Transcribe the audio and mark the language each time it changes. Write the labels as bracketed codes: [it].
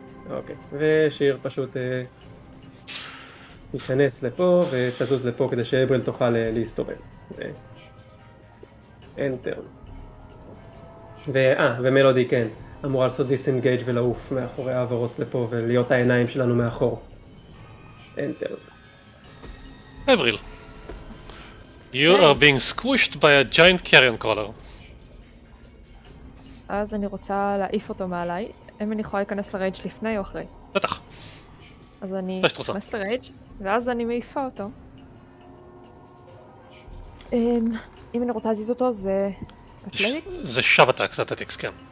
[he] אוקיי, ושיר פשוט ייכנס לפה ותזוז לפה כדי שאבריל תוכל להסתובב. אין טרן. ומלודי כן. אמורה לעשות דיסנגייג' ולעוף מאחורי אברוס לפה ולהיות העיניים שלנו מאחור. אנטר. אבריל. [en] You are being squished by a giant carrion crawler. [he] אז אני רוצה להעיף אותו מעליי. אם אני יכולה להיכנס לרייג' לפני או אחרי. בטח. אז אני אכנס לרייג' ואז אני מעיפה אותו. אם אני רוצה להזיז אותו זה... זה שוו אטאקס, זה אטאקס, כן.